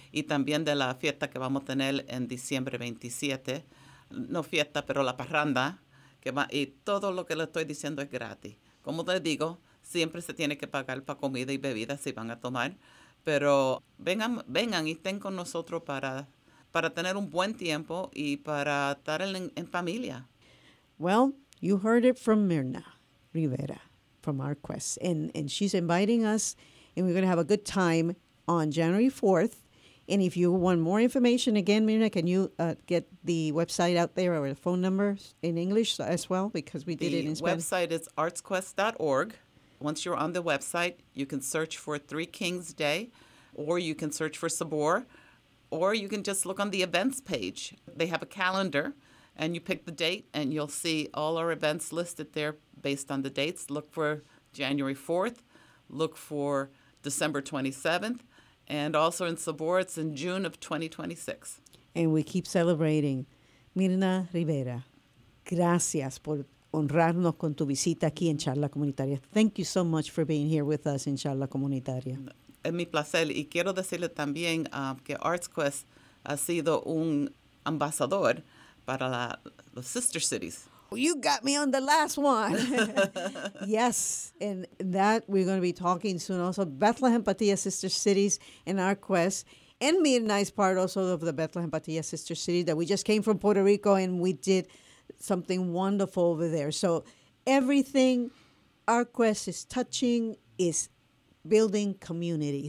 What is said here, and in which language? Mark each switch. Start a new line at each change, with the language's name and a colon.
Spanish: Y también de la fiesta que vamos a tener en diciembre 27, no fiesta, pero la parranda, y todo lo que le estoy diciendo es gratis. Como les digo, siempre se tiene que pagar para comida y bebida si van a tomar. Pero vengan y estén con nosotros para tener un buen tiempo y para estar en familia.
English: Well, you heard it from Mirna Rivera from ArtQuest. And she's inviting us, and we're going to have a good time on January 4th. And if you want more information, again, Mirna, can you get the website out there or the phone number in English as well? Because we did it in Spanish. The website is artsquest.org. Once you're on the website, you can search for Three Kings Day, or you can search for Sabor, or you can just look on the events page. They have a calendar, and you pick the date, and you'll see all our events listed there based on the dates. Look for January 4th. Look for December 27th. And also in Sabor, it's in June of 2026. And we keep celebrating.
Spanish: Mirna Rivera, gracias por honrarnos con tu visita aquí en Charla Comunitaria.
English: Thank you so much for being here with us in Charla Comunitaria.
Spanish: Es mi placer. Y quiero decirle también que ArtsQuest ha sido un ambasador para los Sister Cities.
English: You got me on the last one. Yes, and that we're going to be talking soon also. Bethlehem Patilla Sister Cities and ArtQuest. And Mirna is part also of the Bethlehem Patilla Sister City that we just came from Puerto Rico, and we did something wonderful over there. So everything ArcQuest is touching is building community.